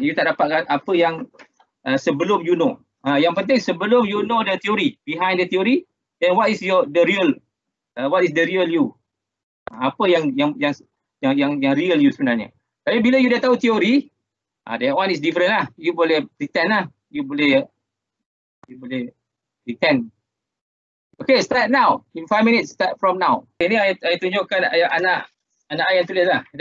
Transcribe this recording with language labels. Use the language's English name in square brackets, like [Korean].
[Malay] You tak dapatkan apa yang sebelum [English] you know. [Malay] Yang penting sebelum [English] you know the theory, behind the theory, then what is the real, what is the real you? [Malay] Apa yang real you sebenarnya? Tapi bila you dah tahu teori, [English] that one is different [Malay] lah. You boleh pretend lah. You boleh pretend. [English] Okay, start now. In 5 minutes, start from now. [Malay] Ini saya tunjukkan anak saya yang tulis lah.